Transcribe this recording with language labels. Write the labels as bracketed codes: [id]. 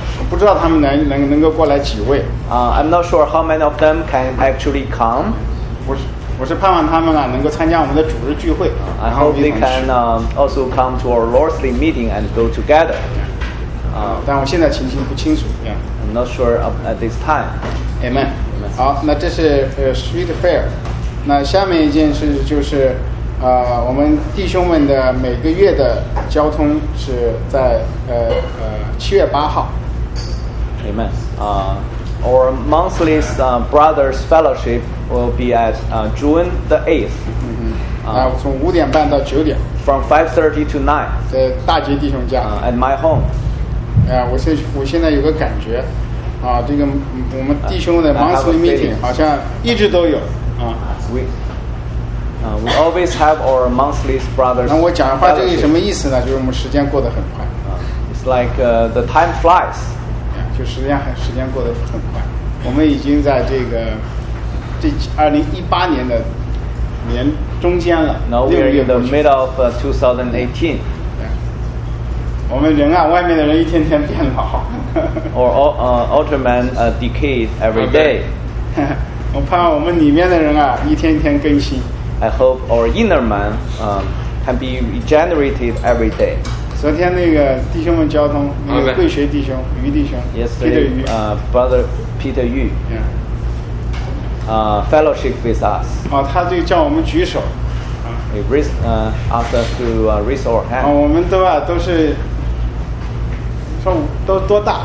[zh] 不知道他们能够过来几位。 [en] I'm not sure how many of them can actually come. [zh] 我是盼望他们能够参加我们的主日聚会。 [en] I hope they can also come to our Lord's Day meeting and go together. [zh] 但我现在情形不清楚。 [en] I'm not sure at this time. [zh] Amen. 好，那这是Street Fair. 那下面一件事就是我们弟兄们的每个月的交通是在7月8号。 [en] Amen. Our monthly brothers fellowship will be at June the 8th. 从5:30 to 9:00. From 5:30 to 9:00. [zh] 在大杰弟兄家。 [en] At my home. [zh] 我现在有个感觉，这个我们弟兄的 [en] monthly meeting [zh] 好像一直都有。 [en] We We always have our monthly brothers. [zh] 那我讲话这里什么意思呢？就是我们时间过得很快。 [en] It's like the time flies. [zh] 就时间过得很快。我们已经在这2018年的年中间了。 [en] Now we're in the middle of 2018. [zh] 我们人啊，外面的人一天天变老。 [en] Or Ultraman decays every day. [zh] 我盼望我们里面的人啊，一天天更新。 [en] I hope our inner man can be regenerated every day. [zh] 昨天那个弟兄们交通，那个贵学弟兄、于弟兄 [en] ，Yesterday, Peter Yu, brother Peter Yu, fellowship with us. [zh] 他就叫我们举手。 [en] He asked us to raise our hand. [zh] 我们都是说都多大？